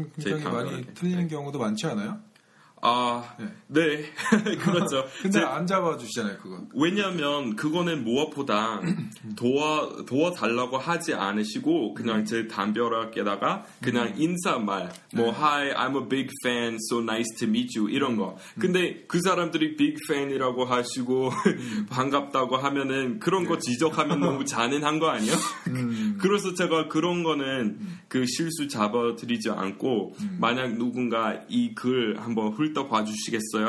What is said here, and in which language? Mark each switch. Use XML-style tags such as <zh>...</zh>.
<ko>굉장히 많이 틀리는 네. 경우도 많지 않아요? 아, 네, 네. 그렇죠. 근데 제, 안 잡아주시잖아요, 그건. 왜냐면, 그거는 무엇보다 도와달라고 하지 않으시고, 그냥 제 담벼락에다가, 그냥 인사말, 뭐, 네.</ko> <en>Hi, I'm a big fan, so nice to meet you,</en> <ko>이런 거. 근데 그 사람들이 big fan이라고 하시고, 반갑다고 하면은, 그런 거 네. 지적하면 너무 잔인한 거 아니에요? 그래서 제가 그런 거는 그 실수 잡아드리지 않고, 만약 누군가 이 글 한번 훌떡 봐주시겠어요? 네.</ko>